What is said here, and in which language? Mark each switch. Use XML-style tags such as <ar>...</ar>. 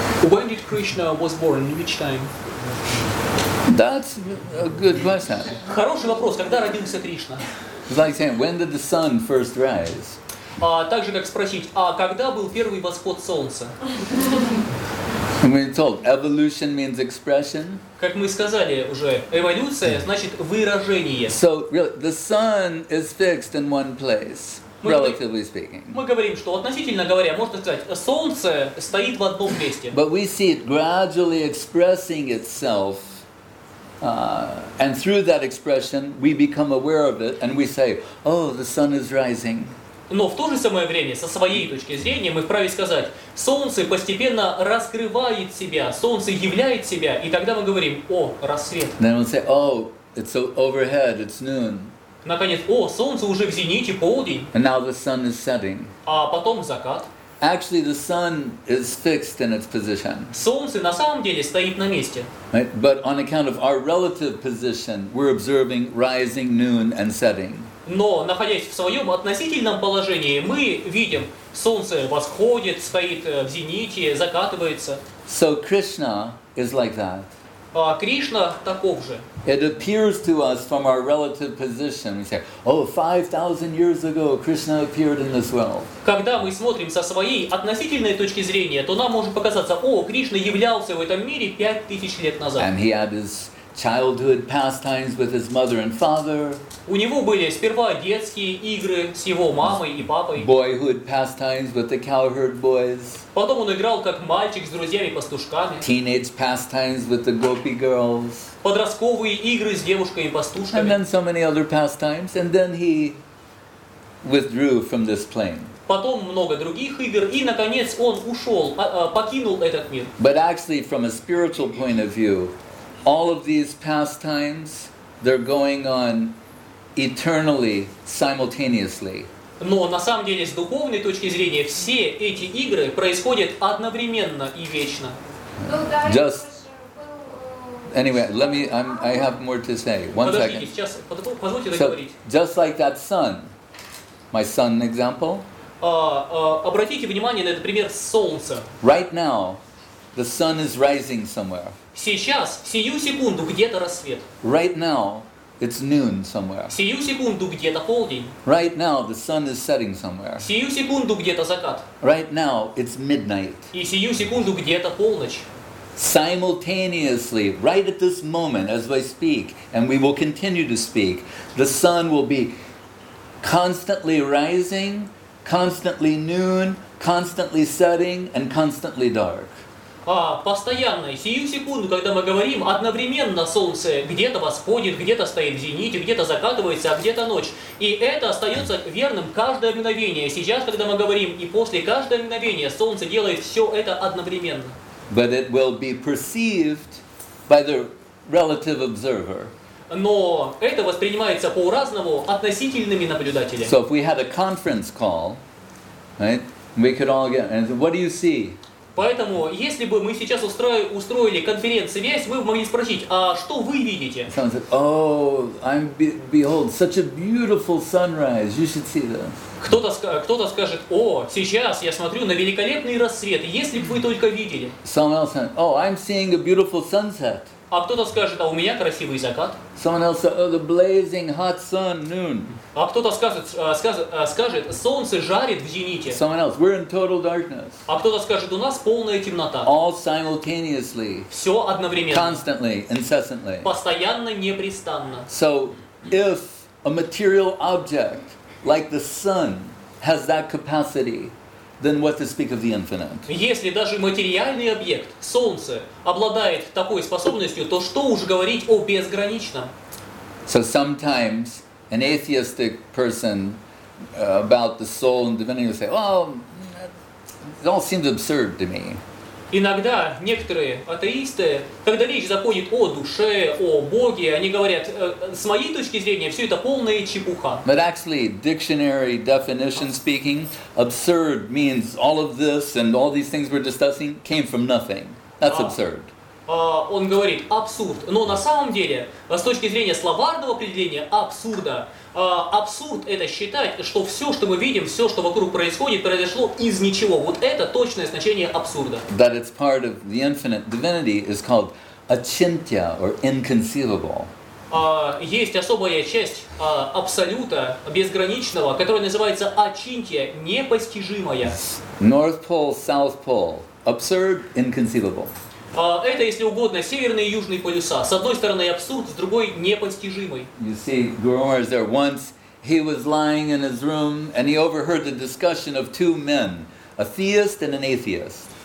<en>When did Krishna was born, in which time? That's a good question.</en> <ru>Хороший вопрос, когда родился Кришна?</ru> <en>It's like saying, when did the sun first rise?</en> <ru>А также как спросить, а когда был первый восход солнца?</ru> <en>We're told, evolution means expression.</en> <ru>Как мы сказали уже, эволюция значит выражение.</ru> <en>So really, the sun is fixed in one place, relatively speaking.</en> <ru>Мы говорим, что относительно говоря, можно сказать, солнце стоит в одном месте.</ru> <en>But we see it gradually expressing itself. And through that expression, we become aware of it and we say, oh, the sun is rising.</en> <ru>Но в то же самое время, со своей точки зрения, мы вправе сказать, солнце постепенно раскрывает себя, солнце являет себя, и тогда мы говорим, о, рассвет.</ru> <en>Then we'll say, oh, it's overhead, it's noon.</en> <ru>Наконец, о, солнце уже в зените, полдень.</ru> <en>And now the sun is setting.</en> <ru>А потом закат.</ru> <en>Actually, the sun is fixed in its position.</en> <ru>Солнце на самом деле стоит на месте.</ru> <en>Right? But on account of our relative position, we're observing rising, noon, and setting.</en> <ru>Но, находясь в своем относительном положении, мы видим, солнце восходит, стоит в зените, закатывается.</ru> <en>So Krishna is like that.</en> <ru>Кришна таков же.</ru> <en>It appears to us from our relative position. We say, oh, 5,000 years ago, Krishna appeared in this world.</en> <ru>Когда мы смотрим со своей относительной точки зрения, то нам может показаться, о, Кришна являлся в этом мире 5,000 лет назад.</ru> <en>And he had his childhood pastimes with his mother and father.</en> <ru>У него были сперва детские игры с его мамой и папой.</ru> <en>Boyhood pastimes with the cowherd boys.</en> <ru>Потом он играл как мальчик с друзьями-пастушками.</ru> <en>Teenage pastimes with the gopi girls.</en> <ru>Подростковые игры с девушкой-пастушками.</ru> <en>And then so many other pastimes, and then he withdrew from this plane.</en> <ru>Потом много других игр, и наконец он ушел, покинул этот мир.</ru> <en>But actually, from a spiritual point of view, all of these pastimes, they're going on eternally, simultaneously.</en> <ru>Но на самом деле, с духовной точки зрения, все эти игры происходят одновременно и вечно.</ru> <en>Just anyway, let me. I have more to say. One</en> <ru>Подождите,</ru> <en>second.</en> <ru>Сейчас, позвольте договорить.</ru> <en>So, just like that sun, my sun example.</en> <ru>Обратите внимание на этот пример солнца.</ru> <en>Right now, the sun is rising somewhere.</en> <ru>Сейчас, сию секунду, где-то рассвет.</ru> <en>Right now, it's noon somewhere.</en> <ru>Сию секунду, где-то полдень.</ru> <en>Right now, the sun is setting somewhere.</en> <ru>Сию секунду, где-то закат.</ru> <en>Right now, it's midnight.</en> <ru>И сию секунду, где-то полночь.</ru> <en>Simultaneously, right at this moment, as I speak, and we will continue to speak, the sun will be constantly rising, constantly noon, constantly setting, and constantly dark.</en> <ru>Постоянно, сию секунду, когда мы говорим, одновременно солнце где-то восходит, где-то стоит в зените, где-то закатывается, а где-то ночь. И это остается верным каждое мгновение. Сейчас, когда мы говорим, и после каждого мгновения солнце делает все это одновременно.</ru> <en>But it will be perceived by the relative observer.</en> <ru>Но это воспринимается по-разному относительными наблюдателями.</ru> <en>So if we had a conference call, right, we could all get and say, what do you see?</en> <ru>Поэтому, если бы мы сейчас устроили конференц-связь, мы бы могли спросить, а что вы видите?</ru> <en>Someone said, oh, behold, such a beautiful sunrise, you should see that.</en> <ru>Кто-то скажет, о, сейчас я смотрю на великолепный рассвет, если бы вы только видели.</ru> <en>Someone else said, oh, I'm seeing a beautiful sunset.</en> <ru>А кто-то скажет, а у меня красивый закат.</ru> <en>Someone else said, oh, the blazing hot sun noon.</en> <ru>А кто-то скажет, солнце жарит в зените.</ru> <en>Someone else, we're in total darkness.</en> <ru>А кто-то скажет, у нас полная темнота.</ru> <en>All simultaneously.</en> <ru>Все одновременно.</ru> <en>Constantly, incessantly.</en> <ru>Постоянно, непрестанно.</ru> <en>So, if a material object like the sun has that capacity, then what to speak of the infinite?</en> <ru>Если даже материальный объект, солнце, обладает такой способностью, то что уж говорить о безграничном?</ru> <en>So sometimes an atheistic person about the soul and divinity will say, well, it all seems absurd to me.</en> <ru>Иногда некоторые атеисты, когда речь заходит о душе, о Боге, они говорят, с моей точки зрения, все это полная чепуха.</ru> <en>But actually, dictionary definition speaking, absurd means all of this and all these things we're discussing came from nothing. That's absurd.</en> <ru>Он говорит, абсурд. Но на самом деле, с точки зрения словарного определения абсурда, абсурд это считать, что все, что мы видим, все, что вокруг происходит, произошло из ничего. Вот это точное значение абсурда.</ru> <en>That it's part of the infinite divinity is called achintya or inconceivable.</en> <ru>Есть особая часть абсолюта, безграничного, которая называется ачинтья, непостижимая.</ru> <en>North pole, south pole. Absurd, inconceivable.</en> <ru>Это, если угодно, северные и южные полюса. С одной стороны абсурд, с другой непостижимый.</ru> <en>You see, Guru Maharaj is there. Once he was lying in his room and he overheard the discussion of two men, a theist and an atheist.</en>